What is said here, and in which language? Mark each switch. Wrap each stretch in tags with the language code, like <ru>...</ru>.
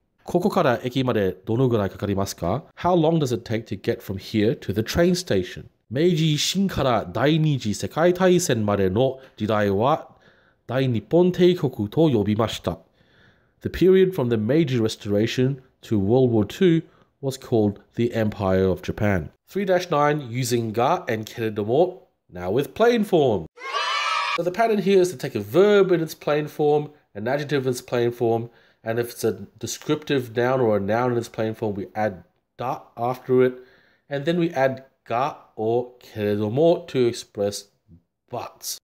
<ja>ここから駅までどのぐらいかかりますか?</ja> <en>How long does it take to get from here to the train station?</en> <ja>明治維新から第二次世界大戦までの時代は大日本帝国と呼びました。</ja> <en>The period from the Meiji Restoration to World War II was called the Empire of Japan. 3-9, using ga and けれども, now with plain form. So the pattern here is to take a verb in its plain form, an adjective in its plain form, and if it's a descriptive noun or a noun in its plain form, we add da after it, and then we add ga or けれども to express but.</en>